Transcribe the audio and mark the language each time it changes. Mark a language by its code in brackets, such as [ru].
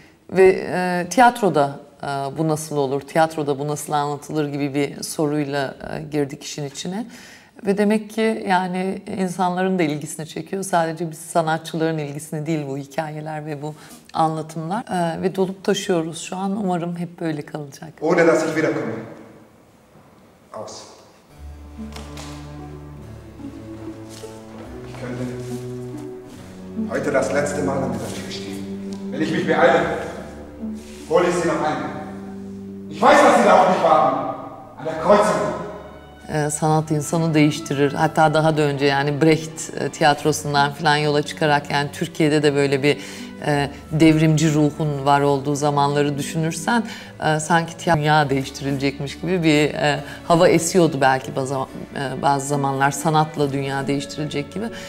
[tr] Ve tiyatroda bu nasıl olur, tiyatroda bu nasıl anlatılır gibi bir soruyla girdik işin içine. Ve demek ki yani insanların da ilgisini çekiyor. Sadece biz sanatçıların ilgisini değil bu hikayeler ve bu anlatımlar. Ve dolup taşıyoruz şu an. Umarım hep böyle kalacak. [de] Ohne dass ich wiederkomme. Aus. Ich könnte heute das letzte Mal an dieser Tür stehen. Wenn ich mich beeile, hole ich sie noch ein. Ich weiß, was sie da auf mich warten. An der Kreuzung. [tr] Sanat insanı değiştirir. Hatta daha da önce yani Brecht tiyatrosundan falan yola çıkarak yani Türkiye'de de böyle bir devrimci ruhun var olduğu zamanları düşünürsen sanki dünya değiştirilecekmiş gibi bir hava esiyordu belki bazı zamanlar sanatla dünya değiştirilecek gibi.